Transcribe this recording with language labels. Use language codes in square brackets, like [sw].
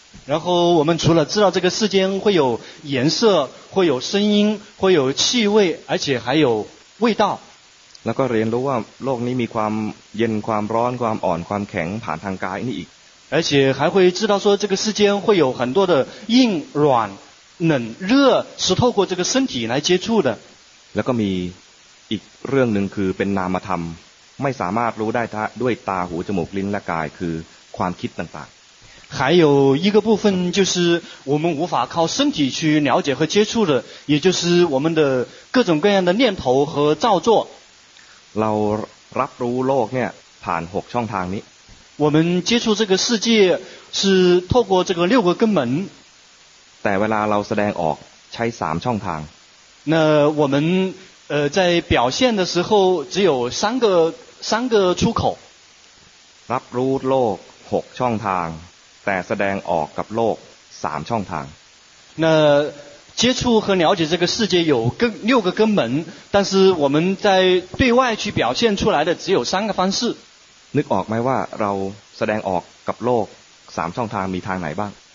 [zh] 然后我们除了知道这个世间会有颜色会有声音会有气味而且还有味道 [th] แล้วก็เรียนรู้ว่าโลกนี้มีความเย็นความร้อนความอ่อนความแข็งผ่านทางกายนี่อีก [zh] 而且还会知道说这个世间会有很多的硬软冷热是透过这个身体来接触的 [th] แล้วก็มีอีกเรื่องนึงคือเป็นนามธรรมไม่สามารถรู้ได้ด้วยตาหูจมูกลิ้นและกายคือความคิดต่าง [zh] ๆ还有一个部分就是我们无法靠身体去了解和接触的也就是我们的各种各样的念头和造作 [th] เรารับรู้โลกเนี่ยผ่าน6ช่องทางนี้ [zh] 我们接触这个世界是透过这个六个根门 [th] แต่เวลาเราแสดงออกใช้3ช่องทาง [zh] 那我们在表现的时候只有三个出口 [th] รับรู้โลก6ช่องทางแต่แสดงออกกับโลก3ช่องทาง [zh] 那接触和了解这个世界有六个根门但是我们在对外去表现出来的只有三个方式 [th] นึกออกไหมว่าเราแสดงออกกับโลก3ช่องทางมีทางไหนบ้าง